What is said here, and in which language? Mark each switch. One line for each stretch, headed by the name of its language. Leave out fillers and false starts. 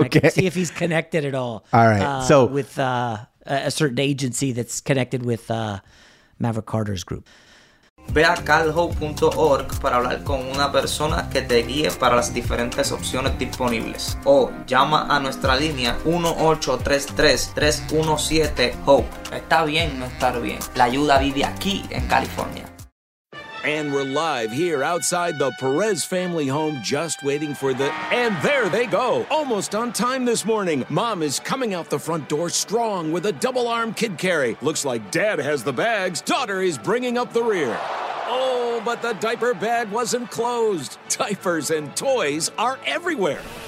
English: See if he's connected at all. All right. So with a certain agency that's connected with Maverick Carter's group.
Spanish: Ve a calho.org para hablar con una persona que te guíe para las diferentes opciones disponibles. O llama a nuestra línea 1-833-317-HOPE. Está bien no estar bien. La ayuda vive aquí en California.
English: And we're live here outside the Perez family home just waiting for the... And there they go, almost on time this morning. Mom is coming out the front door strong with a double-arm kid carry. Looks like Dad has the bags. Daughter is bringing up the rear. Oh, but the diaper bag wasn't closed. Diapers and toys are everywhere.